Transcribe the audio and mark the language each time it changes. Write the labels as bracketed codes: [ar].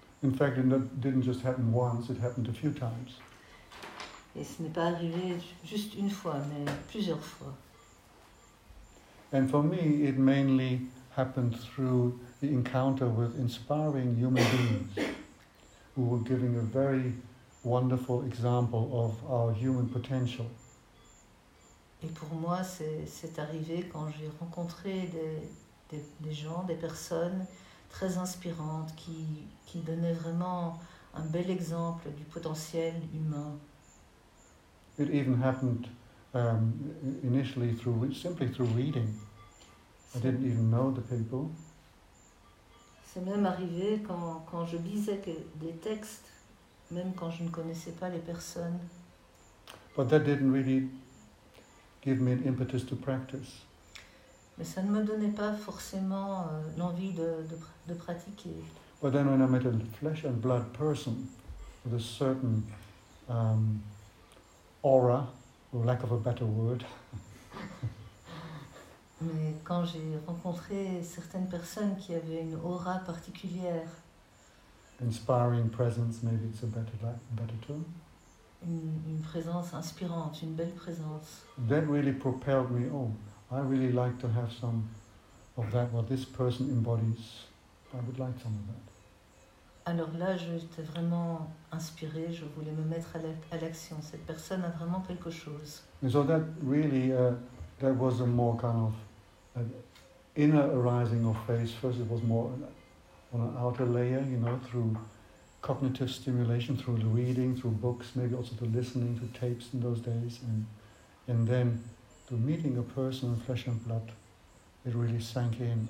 [en] In fact, it didn't just happen once, it happened a few times. [fr] Et ce n'est pas arrivé juste une fois, mais plusieurs fois. [en] And for me, it mainly happened through the encounter with inspiring human beings who were giving a very wonderful example of our human potential. [fr] Et pour moi, c'est arrivé quand j'ai rencontré des gens, des personnes très inspirantes qui donnaient vraiment un bel exemple du potentiel humain. [en] It even happened initially simply through reading. I didn't even know the people. [fr] C'est même arrivé quand je lisais des textes, même quand je ne connaissais pas les personnes. [en] But that didn't really give me an impetus to practice. [fr] Mais ça ne me donnait pas forcément l'envie de pratiquer. [en] But then when I met a flesh and blood person with a certain aura, for lack of a better word, [fr] mais quand j'ai rencontré certaines personnes qui avaient une aura particulière, [en] inspiring presence, maybe it's a better term. [fr] Une présence inspirante, une belle présence. [en] That really propelled me. Oh, I really like to have some of that. What this person embodies, I would like some of that. [fr] Alors là, j'étais vraiment inspirée. Je voulais me mettre à l'action. Cette personne a vraiment quelque chose. [en] And so that really, that was a more kind of an inner arising of faith. First, it was more on an outer layer, you know, through cognitive stimulation, through the reading, through books, maybe also the listening to tapes in those days, and then to meeting a person in flesh and blood, it really sank in.